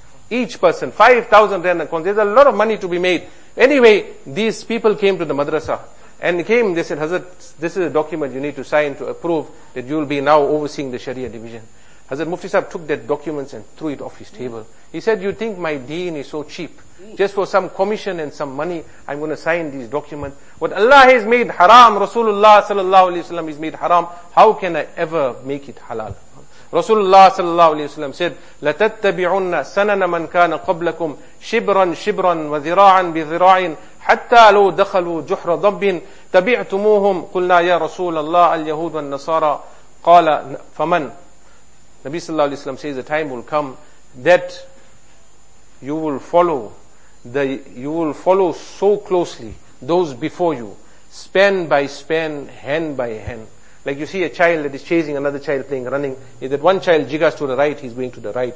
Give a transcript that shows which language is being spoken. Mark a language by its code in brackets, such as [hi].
[en] Each person, 5,000 rand a consult. There's a lot of money to be made. Anyway, these people came to the madrasa and came, they said, Hazrat, this is a document you need to sign to approve that you will be now overseeing the Sharia division. Hazrat Mufti Sahab took that documents and threw it off his table. He said, you think my deen is so cheap? Just for some commission and some money, I'm going to sign these documents. What Allah has made haram, Rasulullah sallallahu alayhi wa sallam has made haram, how can I ever make it halal? Rasulullah sallallahu alayhi wa sallam said, [ar] لَتَتَّبِعُنَّ سَنَنَ مَنْ كَانَ قَبْلَكُمْ شِبْرًا شِبْرًا وَذِرَاعًا بِذِرَاعٍ حَتَّى لَوْ دَخَلُوا جُحْرَ ضَبٍّ تَبِعْتُمُوهُمْ قُلْنَا يَا رَسُولَ اللَّهِ الْيَهُودُ وَالنَّصَارَى قَالَ فَمَنْ. [en] Nabi sallallahu alayhi wa sallam says, the time will come that you will follow so closely those before you, span by span, hand by hand. Like you see a child that is chasing another child playing, running. If that one child jiggers to the right, he's going to the right.